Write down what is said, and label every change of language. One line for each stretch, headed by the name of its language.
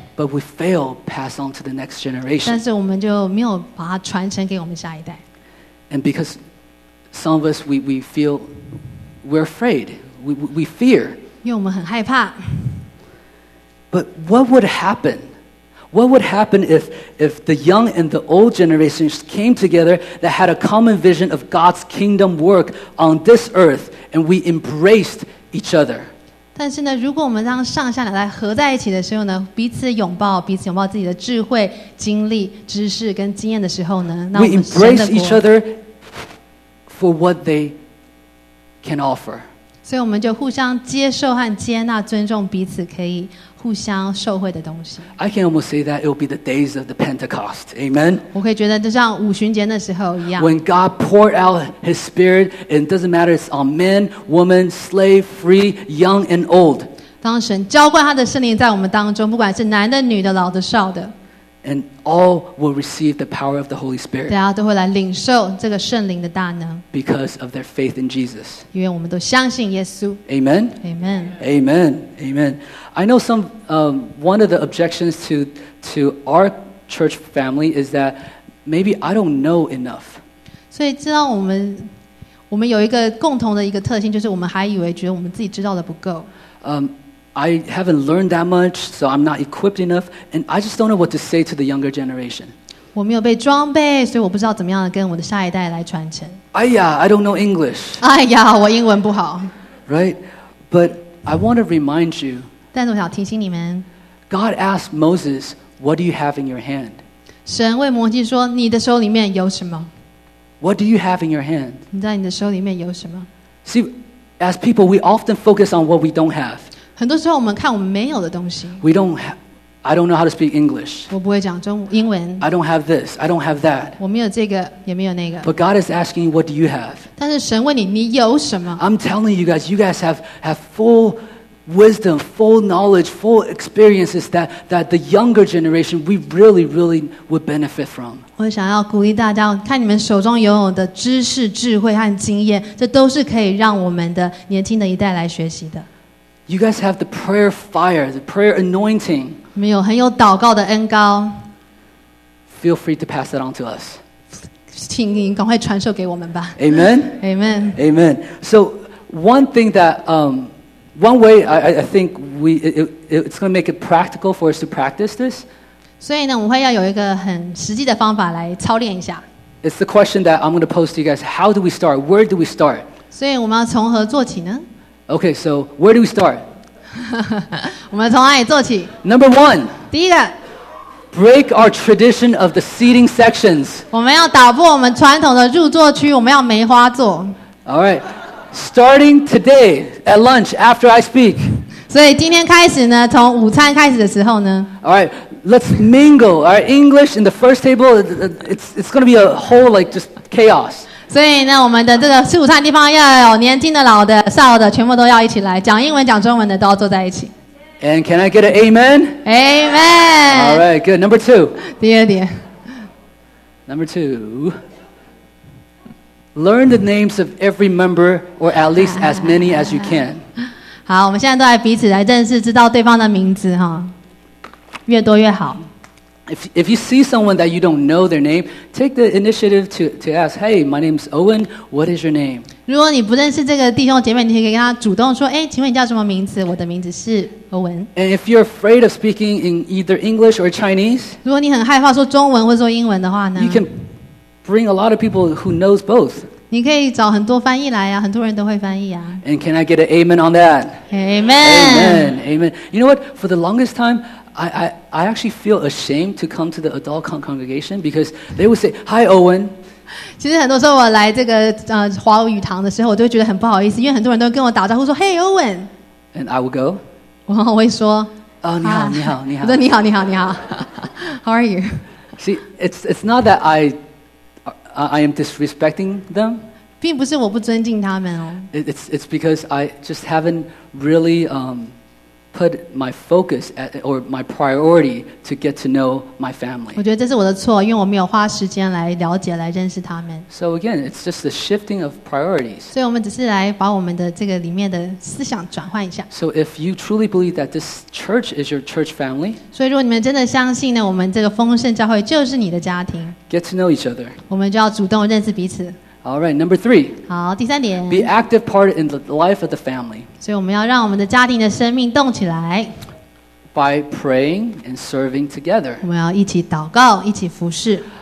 English: but we fail pass on to the next generation.
Chinese: 但是我们就没有把它传承给我们下一代
English: And because some of us we feel we're afraid, we fear.
Chinese: 因为我们很害怕
English: But what would happen? What would happen if the young and the old generations came together that had a common vision of God's kingdom work on this earth and we embraced each other?
Chinese: 但是呢，如果我们让上下两代合在一起的时候呢，彼此拥抱自己的智慧、经历、知识跟经验的时候呢，那我们
English: We embrace each other for what they can offer.
Chinese: 所以我们就互相接受和接纳，尊重彼此可以互相受惠的东西。
English: I can almost say that it will be the days of the Pentecost. Amen.
Chinese: 我可以觉得就像五旬节的时候一样。
English: When God poured out His Spirit, and it doesn't matter if it's on men, women, slave, free, young and old.
Chinese: 当神浇灌他的圣灵在我们当中，不管是男的、女的、老的、少的。
English: And all will receive the power of the Holy Spirit.
Chinese: 大家都会来领受这个圣灵的大能。
English: Because of their faith in Jesus.
Chinese: 因为我们都相信耶稣。
English: Amen. Amen. Amen. Amen. I know some, one of the objections to our church family is that maybe I don't know enough.
Chinese: 所以知道我们有一个共同的一个特性，就是我们还以为觉得我们自己知道的不够。
English: I haven't learned that much, so I'm not equipped enough, and I just don't know what to say to the younger generation.
Chinese: 我没有被装备，所以我不知道怎么样跟我的下一代来传承。
English: 哎呀 ，I don't know English.
Chinese: 哎呀，我英文不好。
English: Right, but I want to remind you.
Chinese: 但是我想提醒你们。
English: God asked Moses, "What do you have in your hand?"
Chinese: 神问摩西说，你的手里面有什么？
English: What do you have in your hand?
Chinese: 你在你的手里面有什么？
English: See, as people, we often focus on what we don't have.
Chinese: 很多时候我们看我们没有的东西。
English: We don't have, I don't know how to speak English.
Chinese: 我不会讲中文英文。
English: I don't have this, I don't have that.
Chinese: 我没有这个，也没有那个。
English: But God is asking you, what do you have?
Chinese: 但是神问你，你有什么？
English: I'm telling you guys have full wisdom, full knowledge, full experiences that the younger generation, we really, really would benefit from.
Chinese: 我想要鼓励大家，看你们手中拥有的知识、智慧和经验，这都是可以让我们的年轻的一代来学习的。
English: You guys have the prayer fire, the prayer anointing.
Chinese: 你们有很有祷告的恩膏。
English: Feel free to pass that on to us.
Chinese: 请您赶快传授给我们吧。
English: Amen? Amen. Amen. So, one thing that... One way I think it's going to make it practical for us to practice this.
Chinese: 所以呢，我们会要有一个很实际的方法来操练一下。
English: It's the question that I'm going to pose to you guys. How do we start? Where do we start?
Chinese: 所以我们要从何做起呢？
English: Okay, so where do we start?
Chinese: 我们从哪里做起？
English: Number one.
Chinese: 第一个。
English: Break our tradition of the seating sections.
Chinese: 我们要打破我们传统的入座区，我们要梅花座。
English: All right. Starting today at lunch after I speak.
Chinese: 所以今天开始呢，从午餐开始的时候呢。
English: All right, let's mingle. All right, English in the first table. It's going to be a whole like just chaos.
Chinese: 所以呢，我们的这个吃午餐地方要有年轻的、老的、少的，全部都要一起来讲英文、讲中文的都要坐在一起。
English: And can I get an amen? Amen. All right, good. Number two.
Chinese: 第二点。
English: Number two. Learn the names of every member, or at least as many as you can.
Chinese: 好，我们现在都来彼此来认识，知道对方的名字哈，越多越好。
English: If you see someone that you don't know their name, take the initiative to ask, "Hey, my name's Owen. What is your name?"
Chinese: 如果你不认识这个弟兄姐妹，你可以跟他主动说，哎，请问你叫什么名字？我的名字是 Owen.
English: And if you're afraid of speaking in either English or Chinese,
Chinese: 如果你很害怕说中文或说英文的话呢
English: ，you can. Bring a lot of people who knows both.
Chinese: 你可以找很多翻译来啊，很多人都会翻译啊。
English: And can I get an amen on that? Amen. Amen. You know what? For the longest time, I actually feel ashamed to come to the adult congregation because they would say, "Hi, Owen."
Chinese: 其实很多时候我来这个华语堂的时候，我都会觉得很不好意思，因为很多人都跟我打招呼说 "Hey, Owen."
English: And I would go.
Chinese: 我会说 "Oh, 你好，你好，你好。我说你好，你好，你好。
English: How are you? See, it's not that I am disrespecting them.
Chinese: 并不是我不尊敬他们哦。
English: It's because I just haven't really put my focus at, or my priority to get to know my family.
Chinese: 我觉得这是我的错，因为我没有花时间来了解、来认识他们。
English: So again, it's just the shifting of priorities.
Chinese: 所以我们只是来把我们的这个里面的思想转换一下。
English: So if you truly believe that this church is your church family,
Chinese: 所以如果你们真的相信呢，我们这个丰盛教会就是你的家庭。
English: Get to know each other.
Chinese: 我们就要主动认识彼此。
English: All right, number three.
Chinese: 好，第三点。
English: Be active part in the life of the family.
Chinese: 所以我们要让我们的家庭的生命动起来。
English: By praying and serving together.
Chinese: 我们要一起祷告，一起服事。